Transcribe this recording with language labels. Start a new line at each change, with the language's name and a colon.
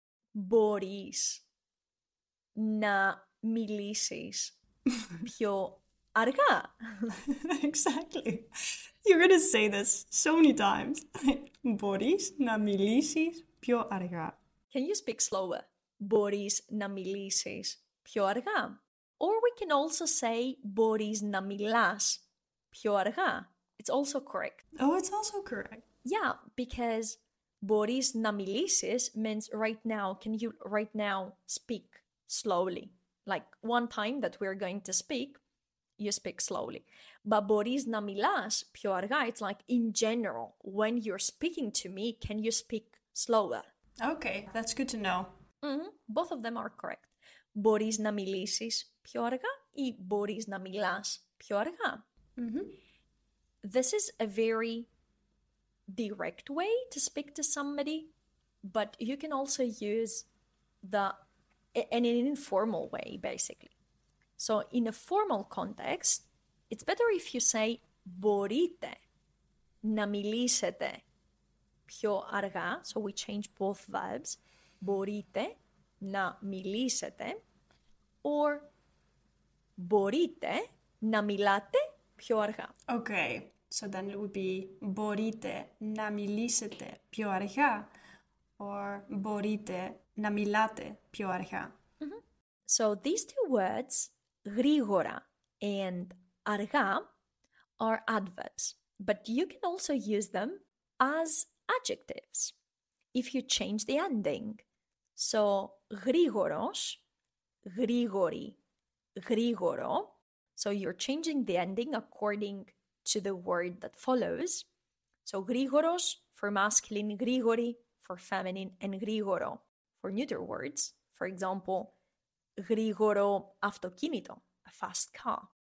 Greek: Μπορείς να μιλήσεις πιο αργά.
English: Exactly. You're going to say this so many times.
Greek: Μπορείς να μιλήσεις πιο αργά.
English: Can you speak slower?
Greek: Μπορείς να μιλήσεις πιο αργά.
English: Or we can also say
Greek: μπορείς να μιλάς πιο αργά.
English: It's also correct. Oh, it's also correct. Yeah, because
Greek: μπορείς να μιλήσεις
English: means right now, can you right now speak slowly? Like one time that we're going to speak, you speak slowly. But
Greek: μπορείς να μιλάς πιο αργά,
English: it's like in general, when you're speaking to me, can you speak slower? Okay, that's good to know. Mm-hmm. Both of them are correct.
Greek: Μπορείς να μιλήσεις πιο αργά ή μπορείς να μιλάς πιο αργά. Mm-hmm.
English: This is a very direct way to speak to somebody, but you can also use in an informal way, basically. So in a formal context, it's better if you say
Greek: μπορείτε να μιλήσετε πιο αργά.
English: So we change both verbs.
Greek: Μπορείτε να μιλήσετε,
English: or
Greek: μπορείτε να μιλάτε πιο αργά.
English: Okay, so then it would be
Greek: μπορείτε να μιλήσετε πιο αργά,
English: or
Greek: μπορείτε να μιλάτε πιο αργά. Mm-hmm.
English: So these two words, γρήγορα and αργά, are adverbs, but you can also use them as adjectives if you change the ending.
Greek: So, γρήγορος, γρήγορη, γρήγορο.
English: So, you're changing the ending according to the word that follows. So, γρήγορος for masculine, γρήγορη for feminine, and γρήγορο for neuter words. For example,
Greek: γρήγορο αυτοκίνητο,
English: a fast car.